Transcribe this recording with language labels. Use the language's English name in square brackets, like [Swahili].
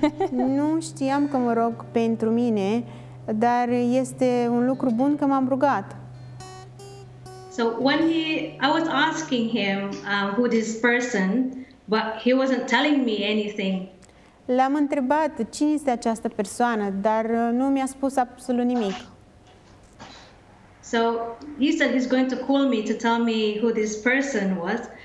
[Romanian] Nu știam că mă rog pentru mine, dar este un lucru bun că m-am rugat. [English] So when I was asking him who this person, but he wasn't telling me anything. [Romanian] L-am întrebat cine este această persoană, dar nu mi-a spus absolut nimic. [English] So he said he's going to call me to tell me who this person was.